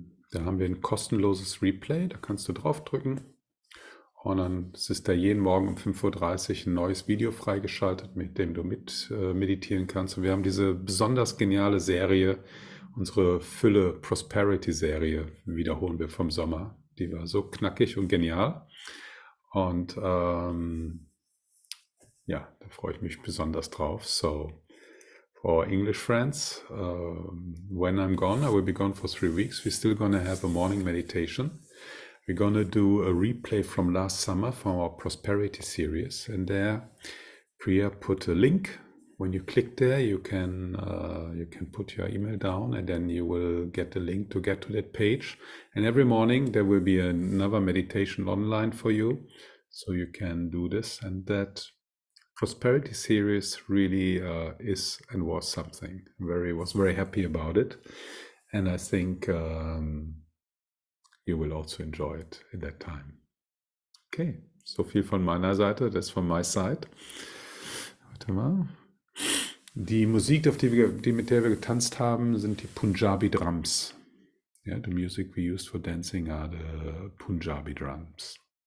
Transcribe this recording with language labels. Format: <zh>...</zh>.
<de>Da haben wir ein kostenloses Replay, da kannst du drauf drücken. Und dann ist da jeden Morgen um 5.30 Uhr ein neues Video freigeschaltet, mit dem du mit meditieren kannst. Und wir haben diese besonders geniale Serie, unsere Fülle-Prosperity-Serie, wiederholen wir vom Sommer. Die war so knackig und genial. Und ja, da freue ich mich besonders drauf.</de> <en>So, for our English friends, when I'm gone, I will be gone for 3 weeks. We're still gonna have a morning meditation. We're going to do a replay from last summer from our Prosperity series. And there, Priya put a link. When you click there, you can put your email down and then you will get the link to get to that page. And every morning, there will be another meditation online for you. So you can do this. And that Prosperity series really is and was something. Was very happy about it. And I think you will also enjoy it in that time.</en> <de>Okay, so viel von meiner Seite, das von</de> <en>my side.</en> <de>Warte mal. Die Musik, mit der wir getanzt haben, sind die Punjabi Drums.</de> <en>Ja, the music we used for dancing are the Punjabi Drums.</en>